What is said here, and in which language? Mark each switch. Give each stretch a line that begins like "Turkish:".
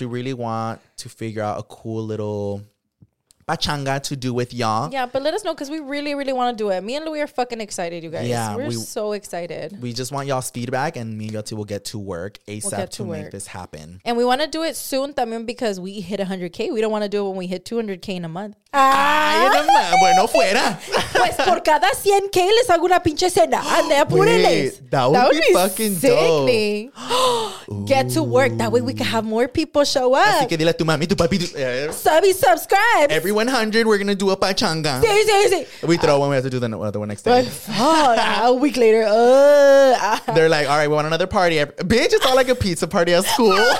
English: We really want to figure out a cool little pachanga to do with y'all. Yeah, but let us know because we really, really want to do it. Me and Louis are fucking excited, you guys. Yeah, we're so excited. We just want y'all's feedback and me and Yoti will get to work ASAP to make this happen. And we want to do it soon, también, because we hit 100K. We don't want to do it when we hit 200K in a month.
Spanish: Bueno, fuera. Pues por cada 100K les hago una pinche cena. Ande, apúreles.
English: That would be fucking dope. Get to work. That way we can have more people show up.
Spanish: Así que dile a tu mami, tu papi.
English: Subscribe. Every 100, we're going to do a pachanga.
Spanish: Sí.
English: We throw one. We have to do the other one next day. A week later. They're like, all right, we want another party. Bitch, it's all like a pizza party at school.